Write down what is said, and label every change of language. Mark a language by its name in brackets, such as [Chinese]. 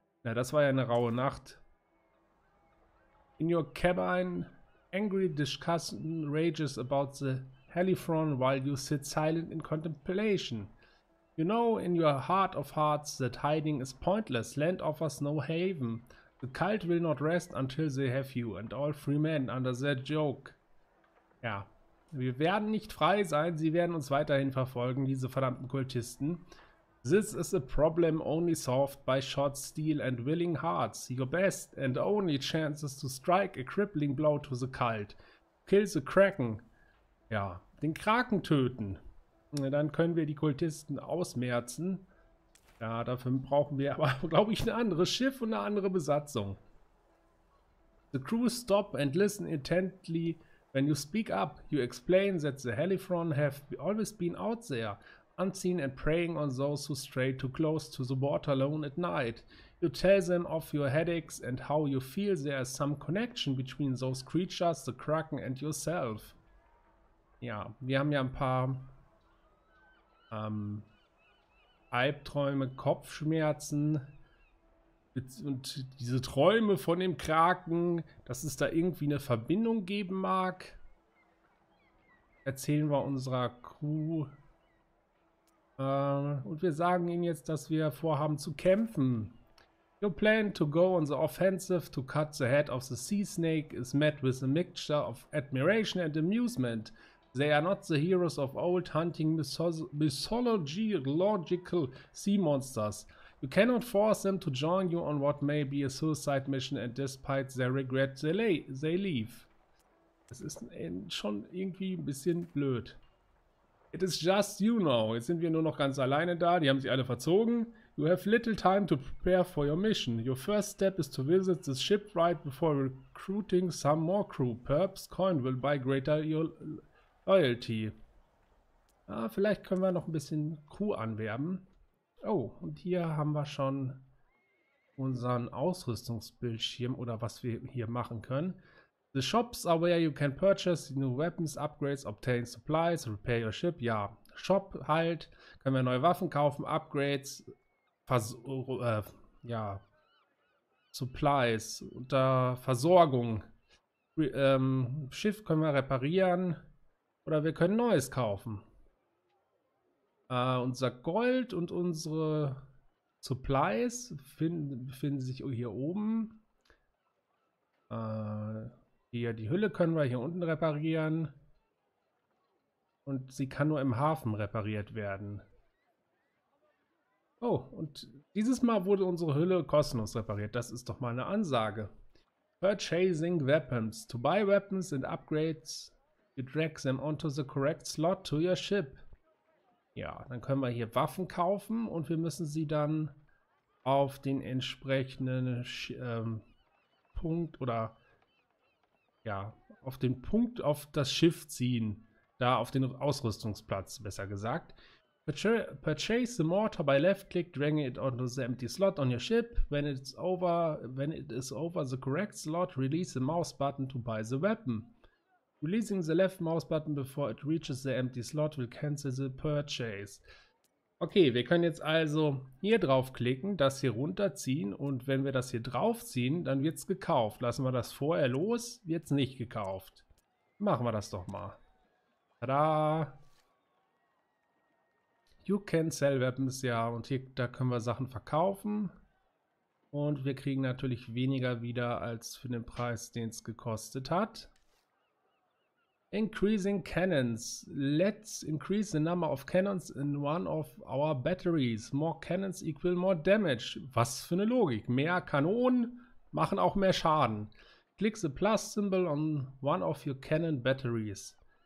[German] Na, das war ja eine raue Nacht. [English] In your cabin, angry discussion rages about the Helifron while you sit silent in contemplation. You know in your heart of hearts that hiding is pointless. Land offers no haven. The cult will not rest until they have you and all free men under their yoke. [German] Ja, wir werden nicht frei sein. Sie werden uns weiterhin verfolgen, diese verdammten Kultisten. [English] This is a problem only solved by short steel and willing hearts. Your best and only chance is to strike a crippling blow to the cult. Kill the Kraken. [German] Ja, den Kraken töten. Dann können wir die Kultisten ausmerzen. Ja, dafür brauchen wir aber, glaube ich, ein anderes Schiff und eine andere Besatzung. [English] The crew stop and listen intently when you speak up. You explain that the Helifron have always been out there, unseen and preying on those who stray too close to the water alone at night. You tell them of your headaches and how you feel there is some connection between those creatures, the Kraken and yourself. [German] Ja, wir haben ja ein paar Albträume, Kopfschmerzen und diese Träume von dem Kraken, dass es da irgendwie eine Verbindung geben mag. Erzählen wir unserer Crew. Und wir sagen ihnen jetzt, dass wir vorhaben zu kämpfen. [English] Your plan to go on the offensive to cut the head of the sea snake is met with a mixture of admiration and amusement. They are not the heroes of old hunting mythological sea monsters. You cannot force them to join you on what may be a suicide mission and despite their regret, they leave. [German] Das ist schon irgendwie ein bisschen blöd. [English] It is just you now. [German] Jetzt sind wir nur noch ganz alleine da. Die haben sich alle verzogen. [English] You have little time to prepare for your mission. Your first step is to visit the shipwright before recruiting some more crew. Perhaps coin will buy greater your Loyalty. [German] Ah, vielleicht können wir noch ein bisschen Crew anwerben. Oh, und hier haben wir schon unseren Ausrüstungsbildschirm oder was wir hier machen können. [English] The shops are where you can purchase new weapons, upgrades, obtain supplies, repair your ship. [German] Ja, Shop halt, können wir neue Waffen kaufen, Upgrades, Supplies unter Versorgung. Schiff können wir reparieren. Oder wir können Neues kaufen. Unser Gold und unsere Supplies befinden sich hier oben. Hier die Hülle können wir hier unten reparieren. Und sie kann nur im Hafen repariert werden. Oh, und dieses Mal wurde unsere Hülle kostenlos repariert. Das ist doch mal eine Ansage. [English] Purchasing weapons. To buy weapons and upgrades. You drag them onto the correct slot to your ship. [German] Ja, dann können wir hier Waffen kaufen und wir müssen sie dann auf den entsprechenden Punkt oder ja, auf den Punkt auf das Schiff ziehen. Da auf den Ausrüstungsplatz, besser gesagt. [English] Purchase the mortar by left click, drag it onto the empty slot on your ship. When it is over the correct slot, release the mouse button to buy the weapon. Releasing the left mouse button before it reaches the empty slot will cancel the purchase. [German] Okay, wir können jetzt also hier draufklicken, das hier runterziehen und wenn wir das hier draufziehen, dann wird es gekauft. Lassen wir das vorher los, wird es nicht gekauft. Machen wir das doch mal. Tada! [English] You can sell weapons, [German] ja, und hier, da können wir Sachen verkaufen. Und wir kriegen natürlich weniger wieder als für den Preis, den es gekostet hat. [English] Increasing cannons. Let's increase the number of cannons in one of our batteries. More cannons equal more damage. [German] Was für eine Logik. Mehr Kanonen machen auch mehr Schaden. [English] Click the plus symbol on one of your cannon batteries.